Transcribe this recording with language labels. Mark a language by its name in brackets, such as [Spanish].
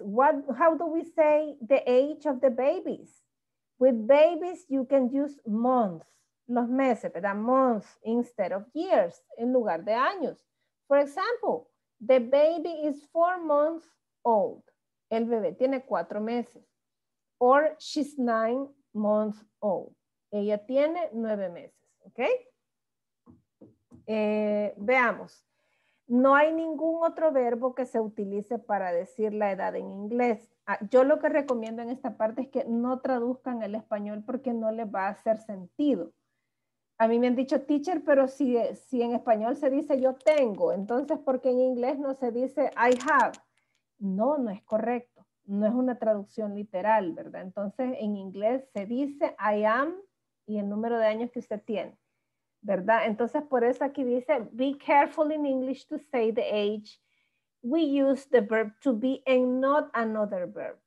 [English] How do we say the age of the babies? With babies, you can use months. [Spanish] Los meses, ¿verdad? [English] Months instead of years, [Spanish] en lugar de años. [English] For example, the baby is 4 months old. [Spanish] El bebé tiene 4 meses. [English] Or she's 9 months old. [Spanish] Ella tiene 9 meses, ¿ok? Veamos. No hay ningún otro verbo que se utilice para decir la edad en inglés. Yo lo que recomiendo en esta parte es que no traduzcan el español porque no les va a hacer sentido. A mí me han dicho teacher, pero si en español se dice yo tengo, entonces ¿por qué en inglés no se dice I have? No, no es correcto. No es una traducción literal, ¿verdad? Entonces en inglés se dice I am y el número de años que usted tiene, ¿verdad? Entonces por eso aquí dice [English] be careful in English to say the age. We use the verb to be and not another verb.